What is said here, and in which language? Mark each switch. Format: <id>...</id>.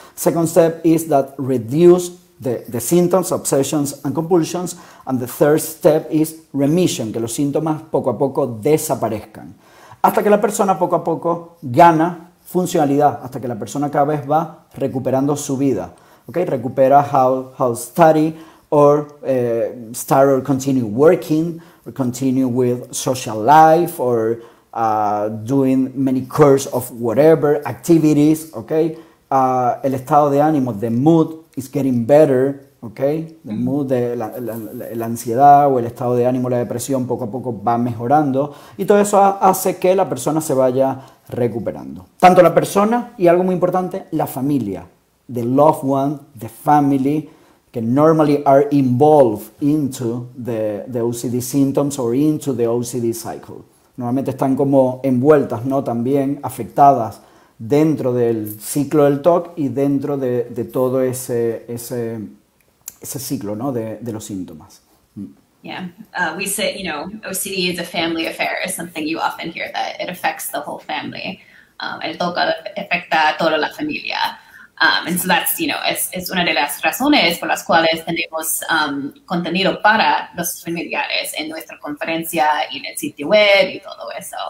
<en>Second step is that reduce the symptoms, obsessions and compulsions. And the third step is remission,</en> <es>que los síntomas poco a poco desaparezcan. Hasta que la persona poco a poco gana funcionalidad, hasta que la persona cada vez va recuperando su vida.</es> <en>Okay?</en> <es>Recupera</es> <en>how study or start or continue working. Or continue with social life, or doing many courses of whatever activities. Okay,</en> <es>el estado de ánimo,</es> <en>the mood is getting better. Okay, the mood,</en> <es>la ansiedad o el estado de ánimo, la depresión, poco a poco va mejorando, y todo eso hace que la persona se vaya recuperando. Tanto la persona y algo muy importante, la familia,</es> <en>the loved one, the family.</en> <es>Que</es> <en>normally are involved into the OCD symptoms or into the OCD cycle.</en> <es>Normalmente están como envueltas, ¿no? También afectadas dentro del ciclo del TOC y dentro de todo ese ciclo, ¿no? De los síntomas.</es> <en>Yeah, we say, you know, OCD is a family affair, is something you often hear, that it affects the whole family.</en> <es>El TOC afecta a toda la familia.</es> <en>And so that's, you know,</en> <es>es una de las razones por las cuales tenemos contenido para los familiares en nuestra conferencia y en el sitio web y todo eso.</es>